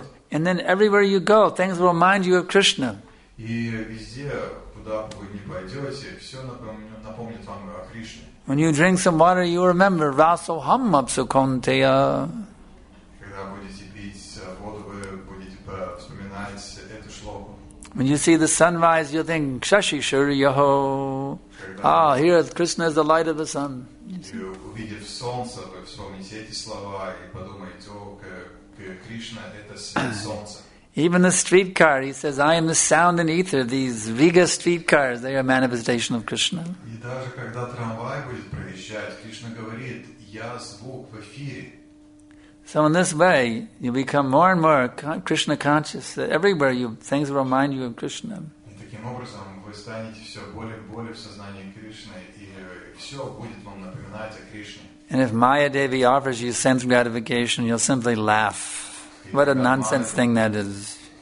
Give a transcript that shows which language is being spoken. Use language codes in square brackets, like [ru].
[en] and then everywhere you go, things will remind you of Krishna. [ru] И везде, куда вы не пойдете, все напомнит вам о Кришне. [en] When you drink some water, you remember Rasoham Apsukonteya. [ru] Когда будете пить воду, вы будете вспоминать эту шлоку. [en] When you see the sunrise, you think Shashi Shuryaho. Ah, here Krishna is the light of the sun. [ru] Увидев солнце, вы вспомните эти слова и подумайте, о, Кришна это свет солнца. [en] Even the streetcar, he says, I am the sound and ether. These Viga streetcars, they are a manifestation of Krishna. [ru] И даже когда трамвай будет проезжать, Кришна говорит, я звук в эфире. [en] So in this way, you become more and more Krishna conscious. Everywhere you things remind you of Krishna. [ru] И таким образом вы станете все более и более в сознании Кришны, и все будет вам напоминать о Кришне. [en] And if Maya Devi offers you sense gratification, you'll simply laugh. What a nonsense thing that is.